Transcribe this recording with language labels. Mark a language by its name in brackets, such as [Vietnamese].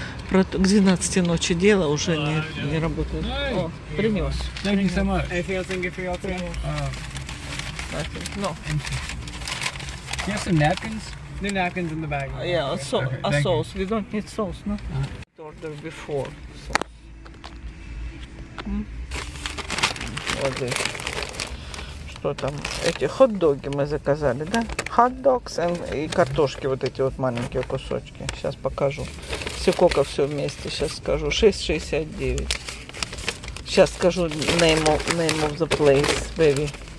[Russian] Про то, к 12 ночи дело уже не работает. Принес. [English] Thank you so much. Do you have some napkins? New napkins in the bag. Yeah, a sauce. We don't need sauce, no? Order before sauce. [Russian] Вот здесь. Что там? Эти хот-доги мы заказали, да? Хот-догс и картошки, вот эти вот маленькие кусочки. Сейчас покажу. Сколько все вместе, сейчас скажу. 6.69. Сейчас скажу [English] name of the place, baby.